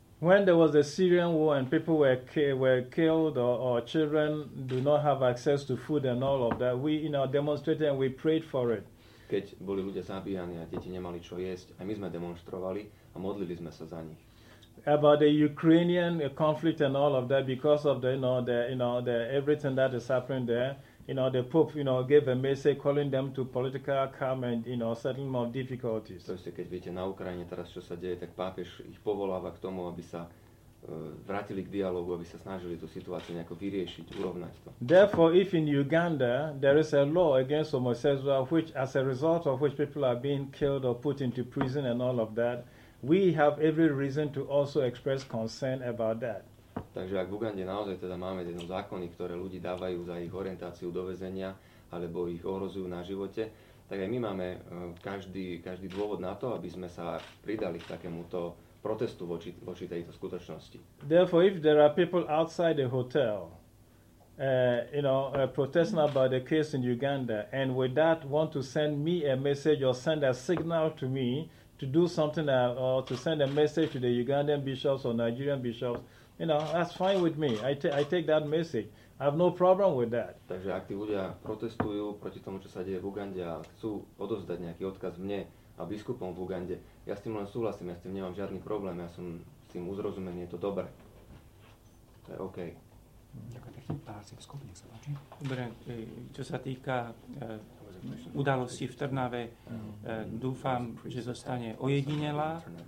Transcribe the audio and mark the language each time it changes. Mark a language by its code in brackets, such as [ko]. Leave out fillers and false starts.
[en] When there was the Syrian war and people were killed or children do not have access to food and all of that, we, you know, demonstrated and we prayed for it. [sk] keď boli ľudia zabíjani a deti nemali čo jesť, aj my sme demonstrovali a modlili sme sa za nich. [en] About the Ukrainian conflict and all of that, because of the, you know, the, you know, the everything that is happening there, you know, the Pope, you know, gave a message calling them to political calm and, you know, settlement of difficulties. [sk] Proste, keď viete na Ukrajine teraz, čo sa deje, tak pápež ich povoláva k tomu, aby sa vrátili k dialogu, aby sa snažili tú situáciu nejako vyriešiť, urovnať to. [en] Therefore, if in Uganda there is a law against homosexual, which as a result of which people are being killed or put into prison and all of that, we have every reason to also express concern about that. [sk] Takže ak v Ugande naozaj teda máme jedno zákony, ktoré ľudí dávajú za ich orientáciu do väzenia alebo ich ohrozujú na živote, tak aj my máme každý dôvod na to, aby sme sa pridali k takémuto protestu voči tejto skutočnosti. [en] Therefore, if there are people outside the hotel, you know, protesting about the case in Uganda, and with that want to send me a message or send a signal to me to do something or to send a message to the Ugandan bishops or Nigerian bishops, you know, that's fine with me. I take that message. I have no problem with that. [sk] Takže ak tí ľudia protestujú proti tomu, čo sa deje v Ugande a chcú odovzdať nejaký odkaz mne a biskupom v Ugande, ja s tým len súhlasím, ja s tým nemám žiadny problém, ja som s tým uzrozumený, je to dobre. To je OK. Ďakujem pekne, pán arcibiskup, nech sa páči. Dobre, čo sa týka udalosti v Trnave, dúfam, že zostane ojedinelá.